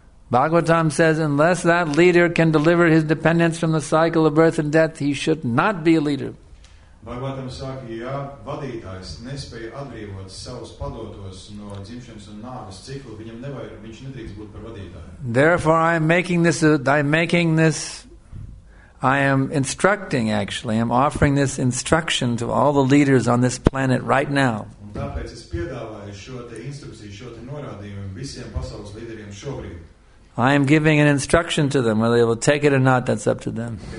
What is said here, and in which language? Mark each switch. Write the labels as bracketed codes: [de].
[en] Bhagavatam says, unless that leader can deliver his dependents from the cycle of birth and death, he should not be a leader. [lv] Bhagavatam saka, ja vadītājs nespēja atbrīvot savus padotos no dzimšanas un nāves cikla, viņš nedrīkst būt par vadītāju. [en] Therefore, I'm offering this instruction to all the leaders on this planet right now. [lv] Un tāpēc es piedāvāju šo te instrukciju, šo te norādījumu visiem pasaules līderiem šobrīd. [en] I am giving an instruction to them. Whether they will take it or not, that's up to them.